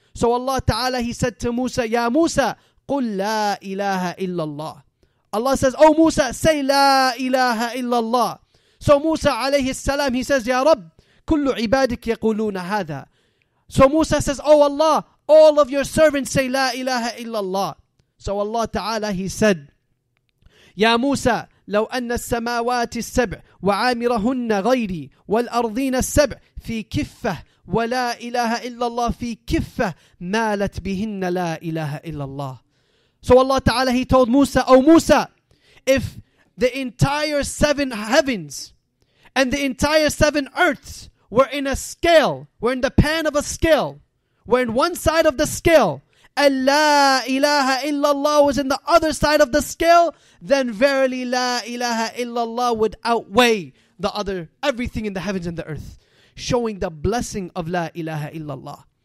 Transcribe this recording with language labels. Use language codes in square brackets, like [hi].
[en] So Allah Ta'ala, he said to Musa, [ar] Ya Musa, قُلْ لَا إِلَهَ إِلَّا اللَّهِ. [en] Allah says, Oh Musa, say [ar] لَا إِلَهَ إِلَّا اللَّهِ. [en] So Musa alayhi salam, he says, [ar] Ya Rabb, كُلُّ عِبَادِكَ يَقُولُونَ هَذَا. [en] So Musa says, Oh Allah, all of your servants say La ilaha illallah. So Allah Ta'ala, he said, [ar] Ya Musa, لو أن السماوات السبع وعامرهن غيري والأرضين السبع في كفة ولا إله إلا الله في كفة مالت بهن لا إله إلا الله. [en] So Allah Ta'ala, he told Musa, Oh Musa, if the entire seven heavens and the entire seven earths were in a scale, were in the pan of a scale, where in one side of the scale, Allah ilaha illallah was in the other side of the scale, then verily la ilaha illallah would outweigh the other, everything in the heavens and the earth, showing the blessing of la ilaha illallah.